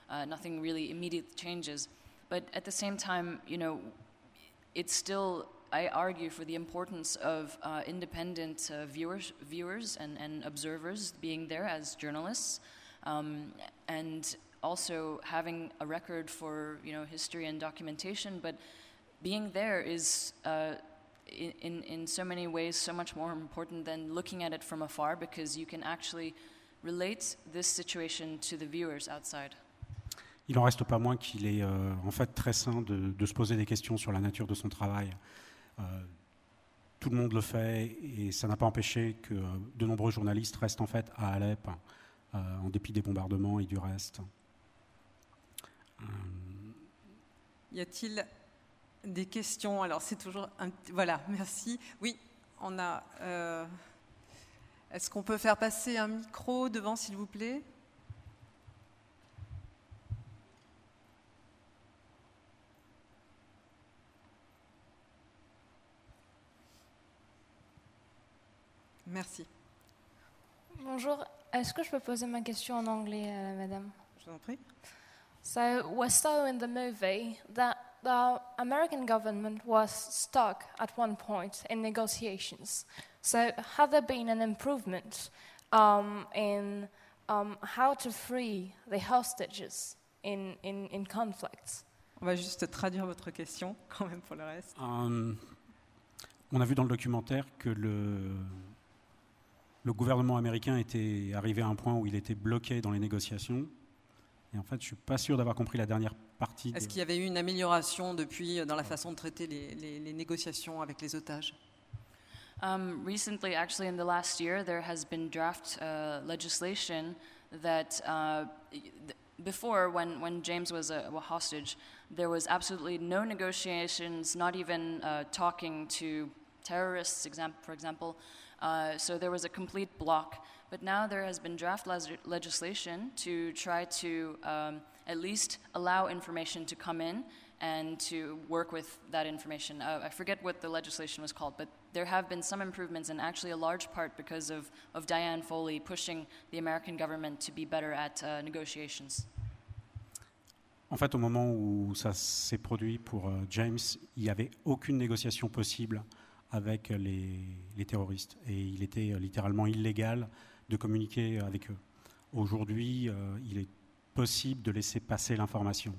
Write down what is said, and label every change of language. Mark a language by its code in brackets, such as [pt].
[en] Nothing really immediately changes. But at the same time, you know, it's still, I argue, for the importance of independent viewers and observers being there as journalists, and also having a record for, you know, history and documentation. But being there is, in so many ways, so much more important than looking at it from afar, because you can actually relate this situation to the viewers outside. [fr] Il n'en reste pas moins qu'il est en fait très sain de se poser des questions sur la nature de son travail. Tout le monde le fait, et ça n'a pas empêché que de nombreux journalistes restent en fait à Alep en dépit des bombardements et du reste. Y a-t-il des questions? Alors c'est toujours un voilà, merci. Oui, on a. Est-ce qu'on peut faire passer un micro devant, s'il vous plaît? Merci. Bonjour. Est-ce que je peux poser ma question en anglais, madame? Je vous en prie. [en] So we saw in the movie that the American government was stuck at one point in negotiations. So have there been an improvement in how to free the hostages in conflicts? [fr] On va juste traduire votre question quand même pour le reste. On a vu dans le documentaire que le gouvernement américain était arrivé à un point où il était bloqué dans les négociations. Et en fait, je ne suis pas sûr d'avoir compris la dernière partie. Est-ce qu'il y avait eu une amélioration depuis dans la façon de traiter les négociations avec les otages? [en] Recently, actually in the last year, there has been draft legislation that before, when James was a hostage, there was absolutely no negotiations, not even talking to terrorists, for example. So there was a complete block. But now there has been draft legislation to try to at least allow information to come in and to work with that information. I forget what the legislation was called, but there have been some improvements, and actually a large part because of Diane Foley pushing the American government to be better at negotiations. [fr] En fait, au moment où ça s'est produit pour James, il n'y avait aucune négociation possible avec les terroristes, et il était littéralement illégal de communiquer avec eux. Aujourd'hui, il est possible de laisser passer l'information.